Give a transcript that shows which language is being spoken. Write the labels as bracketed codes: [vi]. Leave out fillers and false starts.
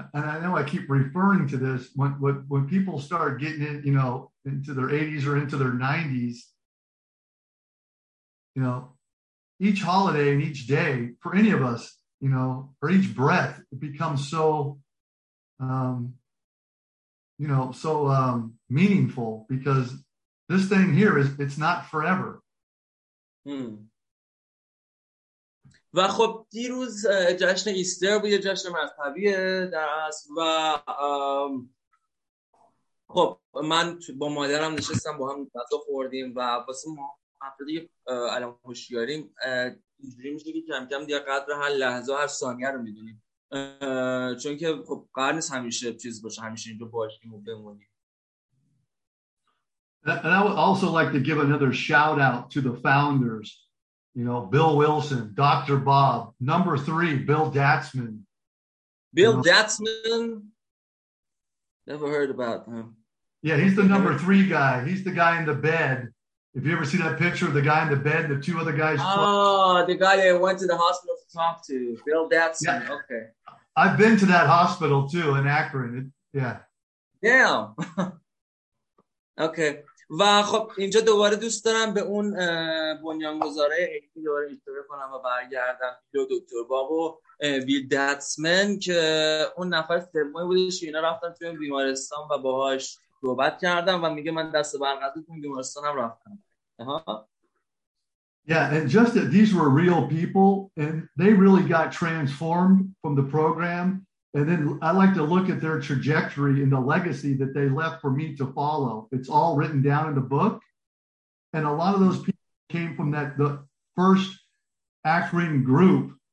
[en] And I know I keep referring to this when people start getting in, you know, into their 80s or into their 90s, you know, each holiday and each day for any of us, you know, or each breath, it becomes so, you know, so meaningful because this thing here is, it's not forever. [fa] و خب دیروز جشن ایستر بود، جشن مذهبیه در اصل، و خب من با مادرم نشستم، با هم غذا خوردیم و واسه ما هفته الان هوشیاریم اینجوری میشه که کم کم دیگه قدر هر لحظه هر ثانیه رو میدونیم، چون که خب قرار نیست همیشه چیز باشه، همیشه اینجا باشیم و بمونیم. [en] And I would also like to give another shout out to the founders, you know, Bill Wilson, Dr. Bob, number 3, Bill Datzman. Bill Datzman? Never heard about him. Yeah, he's the number 3 guy. He's the guy in the bed. If you ever see that picture of the guy in the bed, the two other guys. Oh, the guy that went to the hospital to talk to. Bill Datzman. Yeah. Okay. I've been to that hospital too in Akron. Yeah. Okay. [fa] و خب اینجا دوباره دوست دارم به اون بنیانگذاره ایتی دوباره اشاره کنم و برگردم به دکتر باب و بیل داتسمن که اون نفر سومی بودش که اینا رفتن توی بیمارستان و باهاش صحبت کردم و میگه من دست برقدتون بیمارستانم رفتم. [en] Yeah, and just that these were real people and they really got transformed from the program, and then I like to look at their trajectory and the legacy that they left for me to follow. It's all written down in the book, and a lot of those people came from that, the first Akron group.